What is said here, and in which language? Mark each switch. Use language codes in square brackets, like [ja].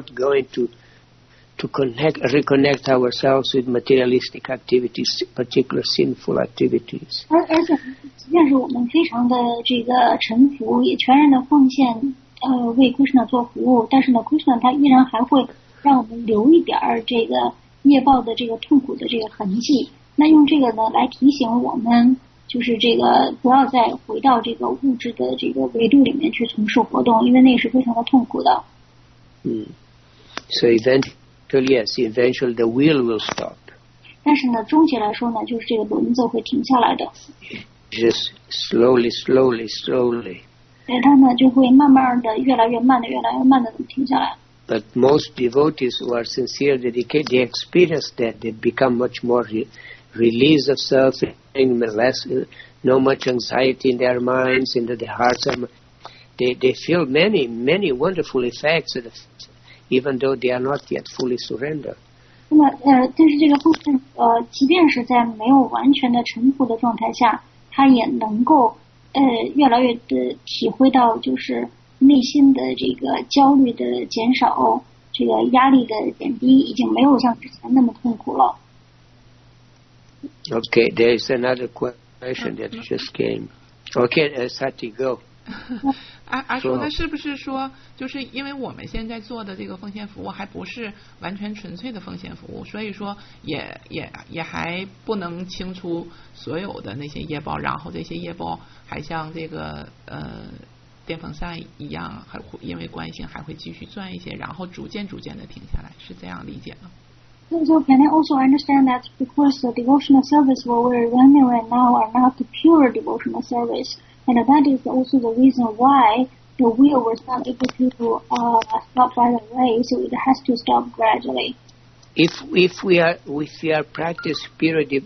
[en] We are not going to reconnect ourselves with materialistic activities, particular sinful activities. [zh] 而且，即便是我们非常的这个臣服，也全然的奉献。为 Krishna 做服务，但是呢 ，Krishna 他依然还会让我们留一点儿这个业报的这个痛苦的这个痕迹。那用这个呢来提醒我们，就是这个不要再回到这个物质的这个维度里面去从事活动，因为那是非常的痛苦的。 [en] So eventually, yes, eventually the wheel will stop. [zh] 但是呢，终极来说呢，就是这个轮子会停下来的。 [en] Just slowly, slowly, slowly. [zh] 对他呢，就会慢慢的，越来越慢的，越来越慢的停下来。 [en] But most devotees who are sincere, dedicated, they experience that they become much more release of suffering, less, no much anxiety in their minds, into their hearts. They feel many, many wonderful effects, even though they are not yet fully surrendered. [zh] 那么，但是这个奉献，即便是在没有完全的臣服的状态下，他也能够。越来越的体会到就是内心的这个焦虑的减少，这个压力的减低，已经没有像之前那么痛苦了。 [en] Okay, there is another question that just came. Okay, Sati, go. [zh] 而说，那是不是说，就是因为我们现在做的这个奉献服务还不是完全纯粹的奉献服务，所以说也还不能清除所有的那些业报，然后这些业报还像这个电风扇一样，还会因为惯性还会继续转一些，然后逐渐的停下来，是这样理解吗？ [en] So can I also understand that because the devotional service what we're running right now are not the pure devotional service? And that is also the reason why the wheel was not able to stop right away, so it has to stop gradually. If we are practice pure,